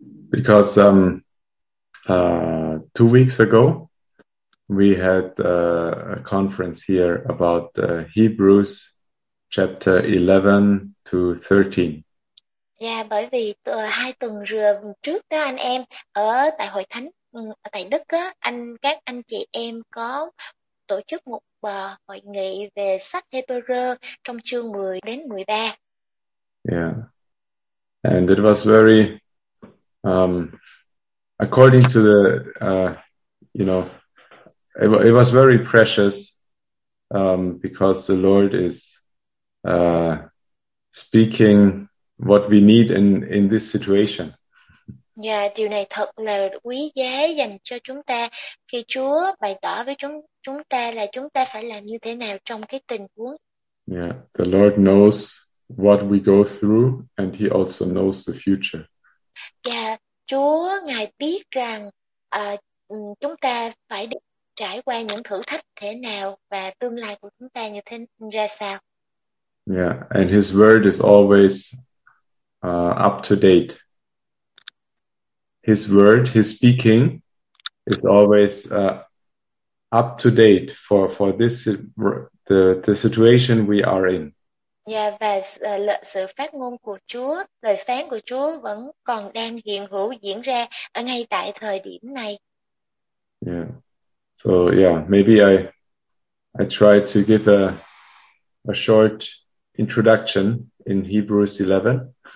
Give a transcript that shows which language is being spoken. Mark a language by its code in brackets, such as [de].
[en] Because 2 weeks ago, we had a conference here about Hebrews chapter 11 to 13. [vi] Yeah, bởi vì hai tuần rưa trước đó anh em ở tại hội thánh ở tại Đức á, các anh chị em có tổ chức một hội nghị về sách Hebrews trong chương 10 đến 13. Yeah. [en] And it was very according to the you know, it was very precious because the Lord is speaking what we need in this situation. [vi] Yeah, điều này thật là quý giá dành cho chúng ta khi Chúa bày tỏ với chúng ta là chúng ta phải làm như thế nào trong cái tình huống. [en] Yeah, the Lord knows what we go through and he also knows the future. [vi] Yeah, Chúa ngài biết rằng chúng ta phải trải qua những thử thách thế nào và tương lai của chúng ta như thế ra sao. [en] Yeah, and his word is always up to date. His word, his speaking is always up to date for this the situation we are in. [vi] Yeah, và sự phát ngôn của Chúa, lời phán của Chúa vẫn còn đang hiện hữu diễn ra ở ngay tại thời điểm này. [en] Yeah. So yeah, maybe I try to give a short introduction in Hebrews 11.